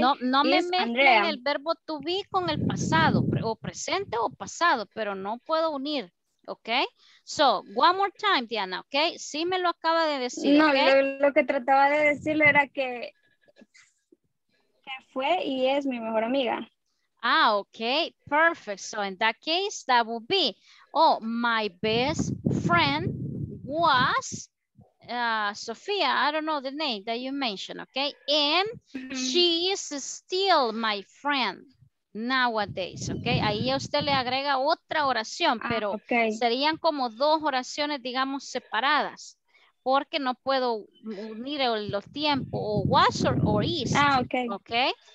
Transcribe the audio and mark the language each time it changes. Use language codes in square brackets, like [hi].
[es] No me mezcle en el verbo to be con el pasado, o presente o pasado, pero no puedo unir. [en] Okay. So, one more time, Diana, okay? [es] Sí me lo acaba de decir, [en] no, okay? [es] Lo que trataba de decirle era que fue y es mi mejor amiga. [en] Ah, okay. Perfect. So, in that case, that would be, oh, my best friend was Sofía, I don't know the name that you mentioned, okay? And she is still my friend nowadays, okay? [es] Ahí a usted le agrega otra oración, pero serían como dos oraciones, digamos, separadas, porque no puedo unir los tiempos, o [en] was or is, [es] okay?